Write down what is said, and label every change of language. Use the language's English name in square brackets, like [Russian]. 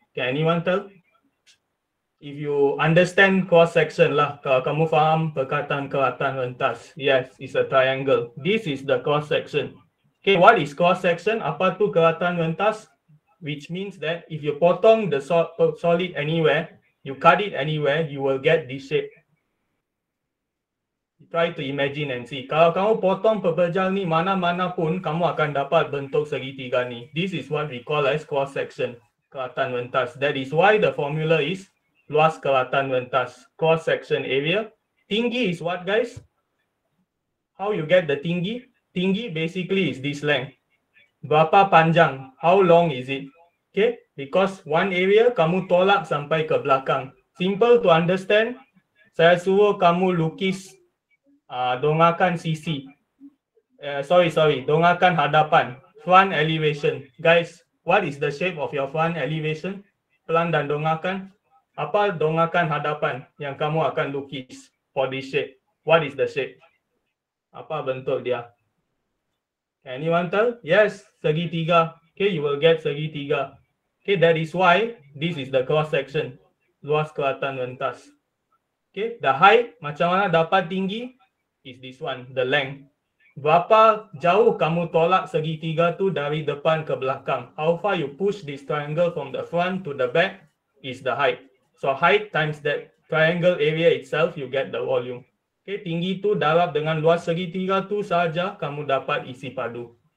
[English] Can anyone tell? If you understand cross section lah, [Malay] kalau kamu faham perkataan kelatan rentas. [English] Yes, it's a triangle. This is the cross section. Okay, what is cross section? [Malay] Apa tu kelatan rentas? [English] Which means that if you [Malay] potong [English] the solid anywhere, you cut it anywhere, you will get this shape. Try to imagine and see. [Malay] Kalau kamu potong pepejal ni mana-mana pun, kamu akan dapat bentuk segitiga ni. [English] This is what we call as cross section. [Malay] Kelatan rentas. [English] That is why the formula is [Malay] luas kelatan rentas. [English] Cross section area. Tinggi is what, guys? How you get the tinggi? Tinggi basically is this length. [Malay] Berapa panjang? [English] How long is it? Okay? Because one area, [Malay] kamu tolak sampai ke belakang. [English] Simple to understand. [Malay] Saya suruh kamu lukis dongakan sisi. Dongakan hadapan. [English] Front elevation. Guys, what is the shape of your front elevation? [Malay] Pelan dan dongakan. Apa dongakan hadapan yang kamu akan lukis [English] for this shape? What is the shape? [Malay] Apa bentuk dia? [English] Anyone tell? Yes, segitiga. Okay, you will get segitiga. Okay, that is why this is the cross section. [Malay] Luas kelatan rentas. [English] Okay, the height, [Malay] macam mana dapat tinggi? [English] Is this one, the length. [Malay] Berapa jauh kamu tolak segitiga tu dari depan ke belakang? [English] How far you push this triangle from the front to the back is the height. So height times that triangle area itself, you get the volume. [Malay] Okay, tinggi tu darab dengan luas segitiga tu saja kamu dapat isi padu.